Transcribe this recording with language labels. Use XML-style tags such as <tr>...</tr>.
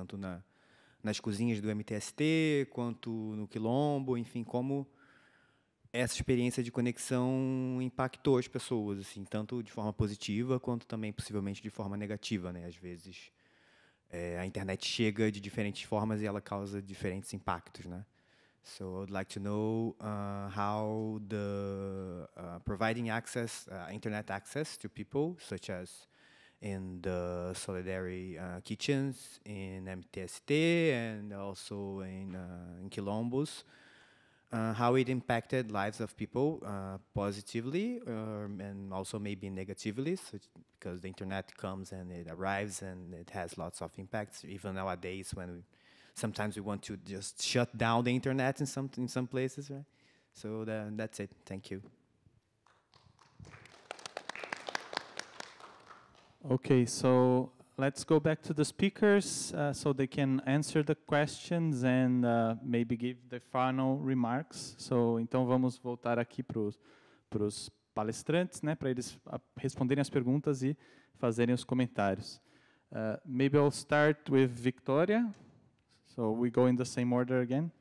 <pt>Tanto nas cozinhas do MTST, quanto no Quilombo, enfim, como essa experiência de conexão impactou as pessoas, assim, tanto de forma positiva, quanto também possivelmente de forma negativa, né? Às vezes a internet chega de diferentes formas e ela causa diferentes impactos, né?</pt> <en>So I'd like to know how the providing access, internet access to people, such as in the solidary kitchens in MTST and also in Quilombos, how it impacted lives of people positively and also maybe negatively, because the internet comes and it arrives and it has lots of impacts, even nowadays when sometimes we want to just shut down the internet in some places, right? So that's it. Thank you. Okay, so let's go back to the speakers so they can answer the questions and maybe give the final remarks. So</en> <pt>então vamos voltar aqui para os palestrantes, né, para eles responderem as perguntas e fazerem os comentários.</pt> <en>Maybe I'll start with Victoria. So we go in the same order again?</en>